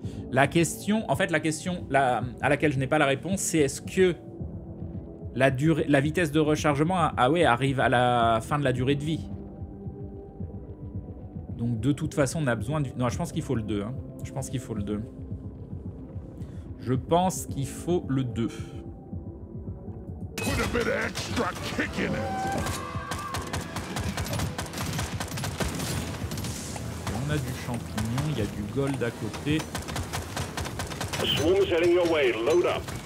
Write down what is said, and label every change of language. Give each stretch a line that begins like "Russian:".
French: La question, en fait, la question à laquelle je n'ai pas la réponse, c'est est-ce que la vitesse de rechargement arrive à la fin de la durée de vie? Donc de toute façon, on a besoin de... Non, je pense qu'il faut le 2. Hein. Je pense qu'il faut le 2. Je pense qu'il faut le 2.
English: Put a bit of extra kick in it.
French: On a du champignon, il y a du gold à côté.
English: A swarm is heading your way, load up.